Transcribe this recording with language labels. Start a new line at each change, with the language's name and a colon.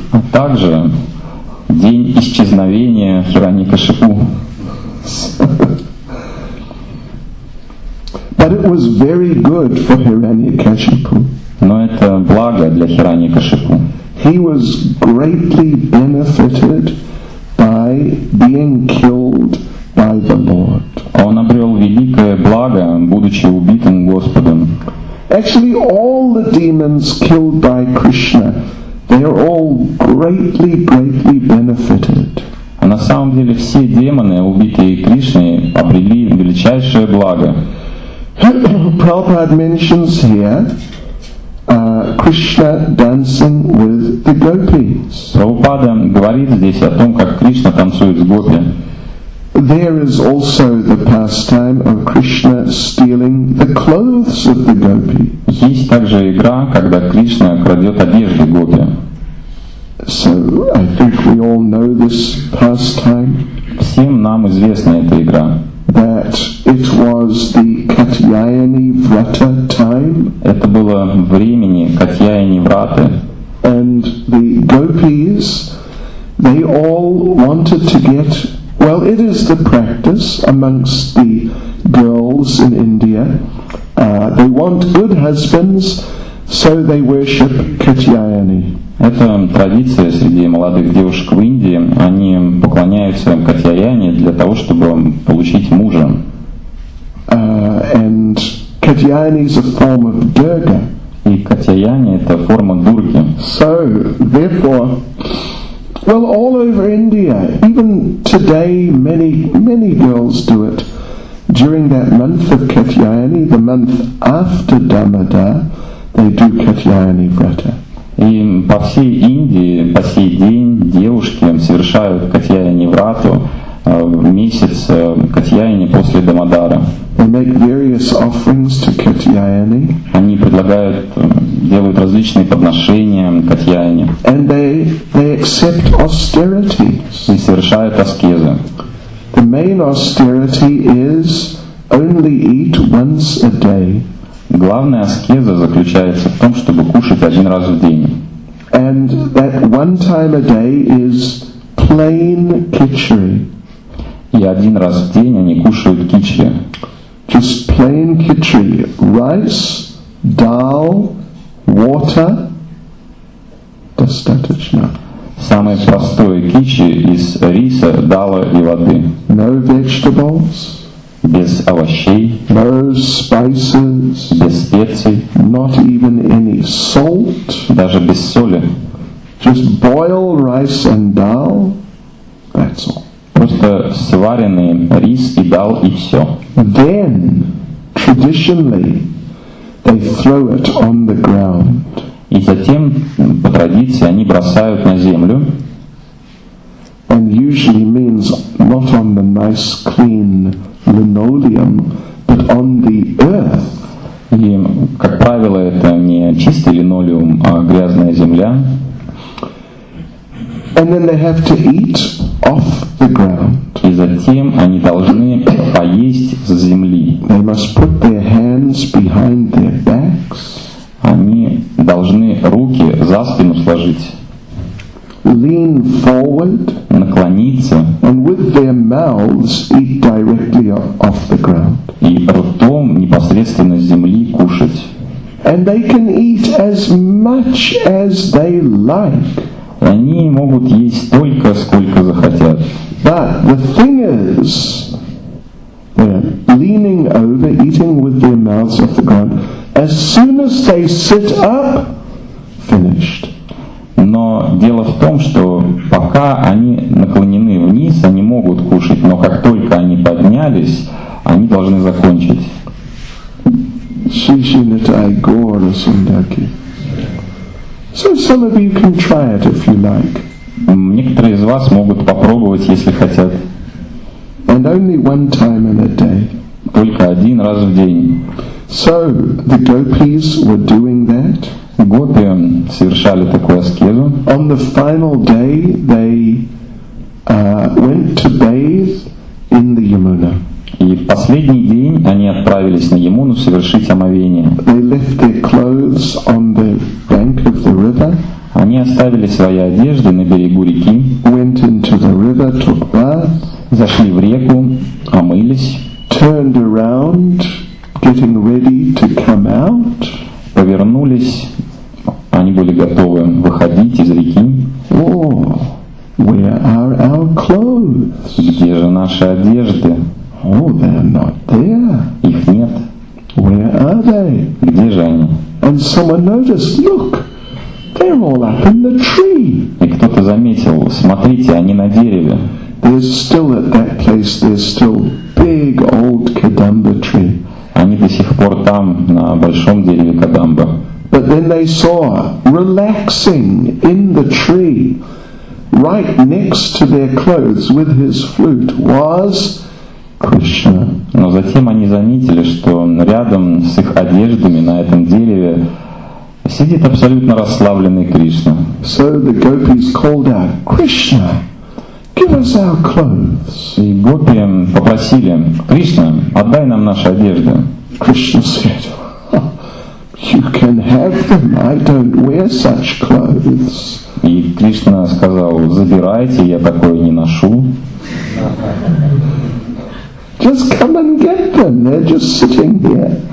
Russian: А также день исчезновения Хираньякашипу.
English: But it was very good for Hiranyakashipu.
Russian: Но это благо для Хираньякашипу.
English: He was greatly benefited by being killed by the Lord.
Russian: Он обрел великое благо, будучи убитым Господом.
English: Actually, all the demons killed by Krishna, they are all greatly, greatly benefited.
Russian: А на самом деле все демоны, убитые Кришной, обрели величайшее благо.
English: Prabhupada mentions here Krishna dancing with the gopis.
Russian: Prabhupada говорит здесь о том, как Кришна танцует с гопи.
English: There is also the pastime of Krishna stealing the clothes of the gopis.
Russian: Есть также игра, когда Кришна крадет одежду гопи.
English: So I think we all know this pastime.
Russian: Всем нам известна эта игра.
English: That it was the Katyayani Vrata time.
Russian: Это было времени Катьяяни Враты.
English: And the gopis, they all wanted to get. Well, it is the practice amongst the girls in India. They want good husbands, so they worship Katyayani.
Russian: Это традиция среди молодых девушек в Индии. Они поклоняются Катьяяни для того, чтобы получить мужа.
English: And Katyayani is a form of Durga.
Russian: И Катьяяни — это форма Дурги.
English: So, therefore, well, all over India, even today, many girls do it. During that month of Katyayani, the month after Damodar, they do Katyayani Vrata.
Russian: И по всей Индии, по сей день, девушки совершают Катьяяни Врату в месяц Катьяяни после Дамодара.
English: They make various offerings to Katyayani.
Russian: Они предлагают, делают различные подношения Катьяяни.
English: And they accept austerities.
Russian: И совершают аскезы.
English: The main austerity is only eat once a day.
Russian: Главная аскеза заключается в том, чтобы кушать один раз в день.
English: And that one time a day is plain khichdi.
Russian: И один раз в день они кушают кичри.
English: Just plain khichdi. Rice, dal, water.
Russian: Достаточно. Самый простой кичи из риса, дала и воды.
English: No vegetables.
Russian: Без овощей.
English: No spices.
Russian: Без специй.
English: Not even any salt.
Russian: Даже без соли.
English: Just boil rice and dal. That's all.
Russian: Просто сваренный рис и дал, и все.
English: Then, traditionally, they throw it on the ground.
Russian: И затем, по традиции, они бросают на землю.
English: And usually means not on the nice clean linoleum, but on the earth.
Russian: И, как правило, это не чистый линолеум, а грязная земля.
English: And then they have to eat off the ground.
Russian: И затем они должны поесть с земли.
English: They must put their hands behind their backs.
Russian: Они должны руки за спину сложить.
English: Lean forward.
Russian: Наклониться.
English: And with their mouths eat directly off the ground.
Russian: И ртом непосредственно с земли кушать.
English: And they can eat as much as they like.
Russian: Они могут есть столько, сколько захотят.
English: But the thing is, leaning over, eating with their mouths off the ground, as soon as they sit up, finished.
Russian: Но дело в том, что пока они наклонены вниз, они могут кушать, но как только они поднялись, они должны закончить. Шиши нитай гора сундаки.
English: So some of you can try it if you like.
Russian: Некоторые из вас могут попробовать, если хотят.
English: And only one time in a day.
Russian: Только один раз в день.
English: So the gopis were doing that.
Russian: Гопи совершали такую аскезу.
English: On the final day, they went to bathe in the Yamuna.
Russian: И в последний день они отправились на Ямуну совершить омовение.
English: They left their clothes on the bank of the river.
Russian: Они оставили свои одежды на берегу реки.
English: Went into the river, took bath.
Russian: Зашли в реку, омылись.
English: Turned around, getting ready to come out.
Russian: Повернулись, они были готовы выходить из реки.
English: Oh, where are our clothes?
Russian: Где же наши одежды?
English: Oh, they're not there.
Russian: Их нет.
English: Where are they?
Russian: Где же они?
English: And someone noticed, look, they're all up in the tree.
Russian: И кто-то заметил, смотрите, они на дереве.
English: There's still at that place, there's still big old kadamba tree.
Russian: Они до сих пор там, на большом дереве кадамба.
English: But then they saw, relaxing in the tree, right next to their clothes with his flute, was Krishna.
Russian: Но затем они заметили, что рядом с их одеждами на этом дереве сидит абсолютно расслабленный Кришна.
English: So the gopis called out, Krishna, give us our clothes.
Russian: И гопи попросили, Кришна, отдай нам наши одежды.
English: Krishna said, you can have them, I don't wear such clothes.
Russian: И Кришна сказал, забирайте, я такое не ношу.
English: Just come and get them, they're just sitting here.